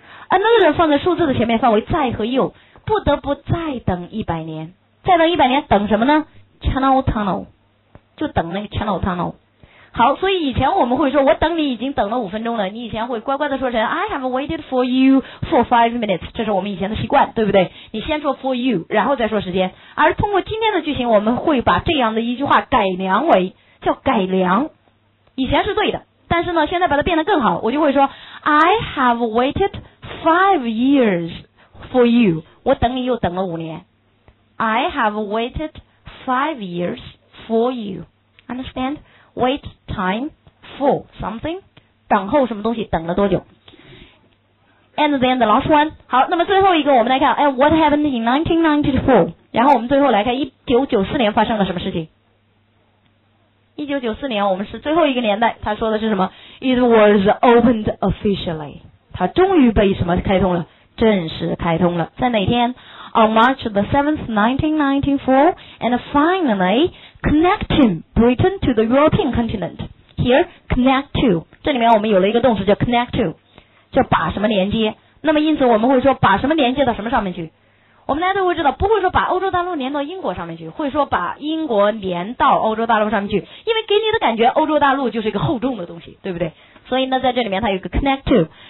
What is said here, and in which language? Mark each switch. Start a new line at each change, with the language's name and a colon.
Chinese: another 放在数字的前面，范围再和又，不得不再等100年。再等100年等什么呢？ Channel Tunnel， 就等那个 Channel Tunnel。好，所以以前我们会说我等你已经等了5分钟了，你以前会乖乖的说成
English: I have waited for you for 5 minutes，
Chinese: 这是我们以前的习惯，对不对？你先说 for you 然后再说时间。而通过今天的剧情，我们会把这样的一句话改良为叫改良，以前是对的，但是呢现在把它变得更好，我就会说
English: I have waited 5 years for you，
Chinese: 我等你又等了5年。
English: I have waited 5 years for you， understand？ Wait time for something，
Chinese: 等候什么东西，等了多久。
English: And then the last one。
Chinese: 好，那么最后一个我们来看
English: And what happened in 1994。
Chinese: 然后我们最后来看1994年发生了什么事情。1994年我们是最后一个年代，他说的是什么？
English: It was opened officially，
Chinese: 它终于被什么开通了？正式开通了。在哪天？
English: On March the 7th 1994 And finallyConnecting Britain to the European continent. Here, connect to.
Chinese: 这里面我们有了一个动词叫 connect to， 叫把什么连接。那么因此我们会说把什么连接到什么上面去？我们大家都会知道，不会说把欧洲大陆连到英国上面去，会说把英国连到欧洲大陆上面去，因为给你的感觉欧洲大陆就是一个厚重的东西，对不对？所以呢，在这里面它有一个 connect to。